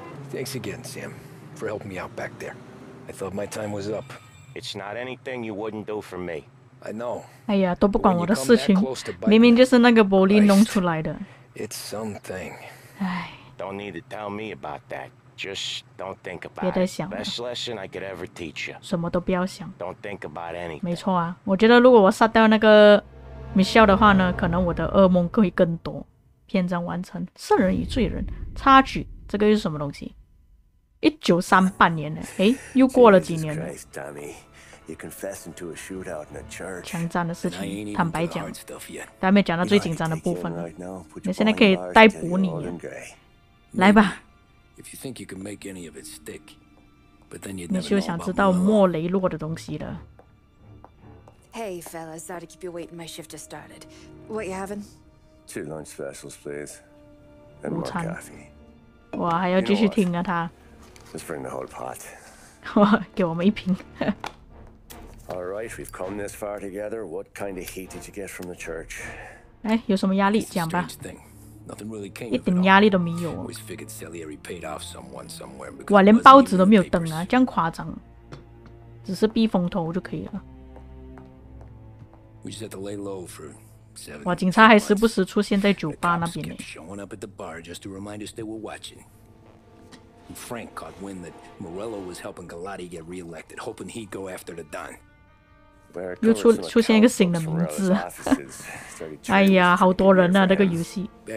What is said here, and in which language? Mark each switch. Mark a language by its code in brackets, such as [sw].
[en] Thanks again, Sam, for helping me out back there. I thought my time was up. It's not anything you wouldn't do for me. I know. [zh] 哎呀，都不管我的事情，明明就是那个玻璃弄出来的。 [en] It's something. 哎。 Don't need to tell me about that. Just don't think about. [zh] 别再想了。 [en] Best lesson I could ever teach you. [zh] 什么都不要想。 [en] Don't think about anything. [zh] 没错啊，我觉得如果我杀掉那个 Michelle 的话呢，可能我的噩梦会更多。篇章完成，圣人与罪人差距，这个又是什么东西？ 1938年呢？哎，又过了几年了。 [en] Jesus Christ, Tommy, you're confessing to a shootout in a church. [zh] 枪战的事情，坦白讲，还没讲到最紧张的部分呢。那现在可以逮捕你，来吧。 [en] If you think you can make any of it stick, but then you'd never [zh] Mola. 你就想知道莫雷洛的东西了。 [en] Hey, fellas, sorry to keep you waiting. My shift just started. What you having? 2 lunch specials, please, and more coffee. [zh] 哇，还要继续听啊他。 [en] Let's bring the whole pot. [zh] 哇，给我们一瓶。 [en] All right, we've come this far together. What kind of heat did you get from the church? [zh] 哎，有什么压力讲吧。 [en] Nothing really came. [zh] 一点压力都没有。 [en] Always figured Salieri paid off someone somewhere. [zh] 哇，连报纸都没有登啊，这样夸张。只是避风头就可以了。 [en] We just had to lay low for [zh] 哇，警察还时不时出现在酒吧那边呢。 [en] The cops kept showing up at the bar just to remind us they were watching. And Frank caught wind that Morello was helping Galati get reelected, hoping he'd go after the Don. [zh] 又出现一个新的名字，哎呀，好多人啊！这个游戏。